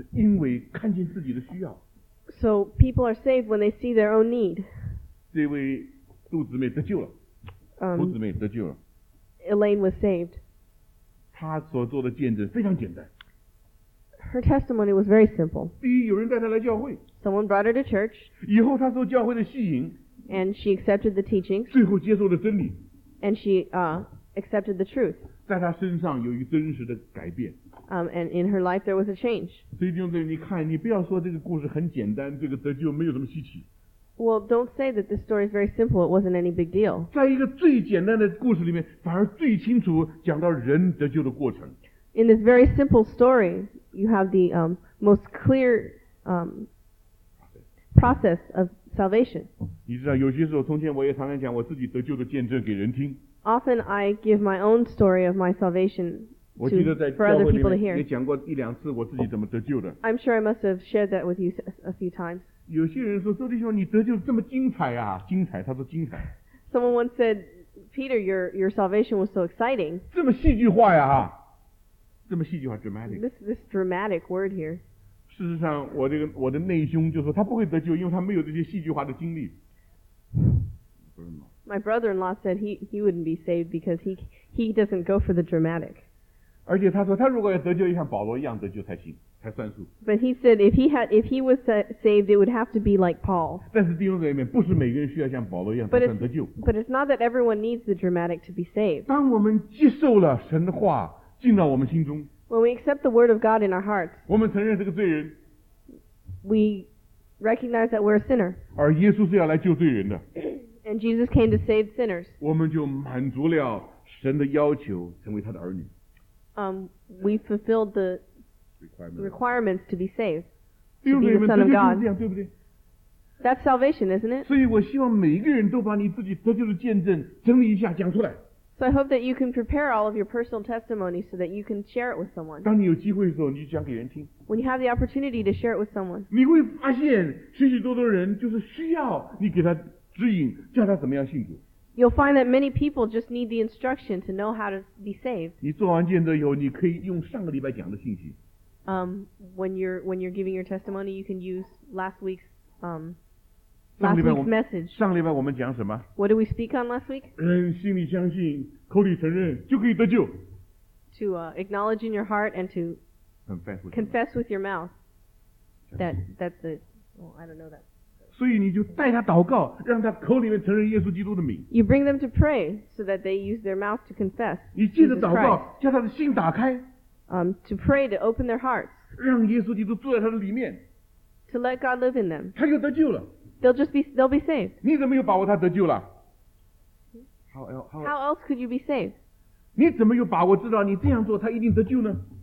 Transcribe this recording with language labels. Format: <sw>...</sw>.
<zh>所以人得救就是因为看见自己的需要。</zh> <en>So people are saved when they see their own need.</en> <zh>这位杜姊妹得救了。</zh> <en>Elaine was saved.</en> <zh>她所做的见证非常简单。</zh> <en>Her testimony was very simple.</en> <zh>第一,有人带她来教会。</zh> <en>Someone brought her to church.</en> <zh>以后她受教会的吸引。</zh> <en>And she accepted the teachings.</en> <zh>最后接受了真理,</zh> <en>and she accepted the truth.</en> <zh>在她身上有一个真实的改变,</zh> <en>and in her life there was a change.</en> <zh>所以弟兄姊妹你看,</zh> <en>well, don't say that this story is very simple. It wasn't any big deal.</en> <zh>在一个最简单的故事里面,</zh> <en>in this very simple story, you have the most clear process of salvation.</en> <zh>你知道,</zh> <en>often I give my own story of my salvation for other people to hear.</en> <zh>也讲过一两次我自己怎么得救的。</zh> <en>I'm sure I must have shared that with you a few times.</en> <zh>有些人说周弟兄你得救这么精彩啊精彩他说精彩。</zh> <en>Someone once said, Peter, your salvation was so exciting.</en> <zh>这么戏剧化呀啊这么戏剧化 dramatic.</zh> <en>This dramatic word here.</en> <zh>事实上我这个我的内兄就说他不会得救因为他没有这些戏剧化的经历。</zh> <en>My brother-in-law said he wouldn't be saved because he doesn't go for the dramatic.</en> <zh>而且他说他如果要得救像保罗一样得救才行才算数。</zh> <en>But he said if he was saved, it would have to be like Paul.</en> <zh>但是弟兄姊妹不是每个人需要像保罗一样才算得救。</zh> <en>But it's not that everyone needs the dramatic to be saved.</en> <zh>当我们接受了神的话进到我们心中。</zh> <en>When we accept the word of God in our hearts,</en> <zh>我们承认这个罪人,</zh> <en>we recognize that we're a sinner.</en> <zh>而耶稣是要来救罪人的,</zh> <en>and Jesus came to save sinners.</en> <zh>我们就满足了神的要求, 成为他的儿女。</zh> <en>We fulfilled the requirements to be saved, to be the son of God.</en> <zh>这样对不对?</zh> <en>That's salvation, isn't it?</en> <zh>所以我希望每一个人都把你自己得救的见证整理一下讲出来。</zh> <en>So I hope that you can prepare all of your personal testimonies so that you can share it with someone.</en> <zh>当你有机会的时候，你就讲给人听。</zh> <en>When you have the opportunity to share it with someone,</en> <zh>你会发现许许多多人就是需要你给他指引，叫他怎么样信主。</zh> <en>You'll find that many people just need the instruction to know how to be saved.</en> <zh>你做完见证以后，你可以用上个礼拜讲的信息。</zh> <en>When you're giving your testimony, you can use last week's last week's message.</en> <zh>上礼拜我们讲什么?</zh> <en>What did we speak on last week?</en> <zh>人心里相信，口里承认，就可以得救。</zh> <en>To acknowledge in your heart and to confess with your mouth. I don't know that.</en> <zh>所以你就带他祷告，让他口里面承认耶稣基督的名。</zh> <en>You bring them to pray so that they use their mouth to confess.</en> <zh>你借着祷告，叫他的心打开。</zh> <en>To pray to open their hearts.</en> <zh>让耶稣基督住在他的里面。</zh> <en>To let God live in them.</en> <zh>他就得救了。</zh> <en>They'll be saved.</en> <zh>你怎么又把握他得救了?</zh> <en>How else could you be saved?</en> <zh>你怎么又把握知道你这样做他一定得救呢?</zh>